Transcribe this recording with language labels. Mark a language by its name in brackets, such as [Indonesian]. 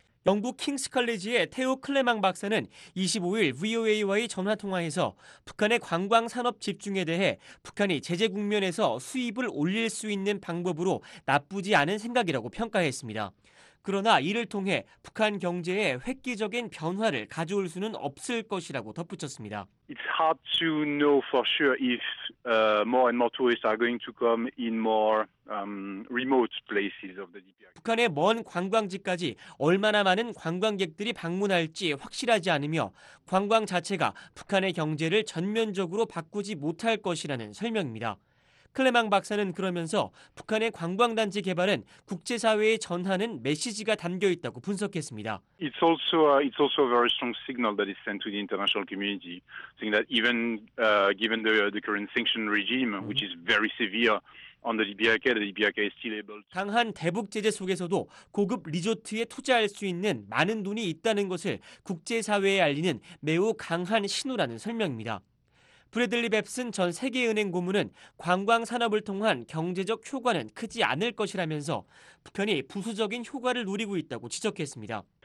[Korean] 영국 킹스컬리지의 테오 클레망 박사는 25일 VOA와의 전화통화에서 북한의 관광산업 집중에 대해 북한이 제재 국면에서 수입을 올릴 수 있는 방법으로 나쁘지 않은 생각이라고 평가했습니다. 그러나 이를 통해 북한 경제에 획기적인 변화를 가져올 수는 없을 것이라고 덧붙였습니다. [English] It's hard to know for sure if more and more tourists are going to come in more remote places of the DPR. [Korean] 북한의 먼 관광지까지 얼마나 많은 관광객들이 방문할지 확실하지 않으며 관광 자체가 북한의 경제를 전면적으로 바꾸지 못할 것이라는 설명입니다. 클레망 박사는 그러면서 북한의 관광단지 개발은 국제사회에 전하는 메시지가 담겨 있다고 분석했습니다. [English] It's also a very strong signal that is sent to the international community, saying that even given the current sanction regime, which is very severe on the DPRK, the DPRK is still able. [Korean] 강한 대북 제재 속에서도 고급 리조트에 투자할 수 있는 많은 돈이 있다는 것을 국제사회에 알리는 매우 강한 신호라는 설명입니다. 브래들리 뱁슨 전 세계은행 고문은 관광산업을 통한 경제적 효과는 크지 않을 것이라면서 북한이 부수적인 효과를 누리고 있다고 지적했습니다.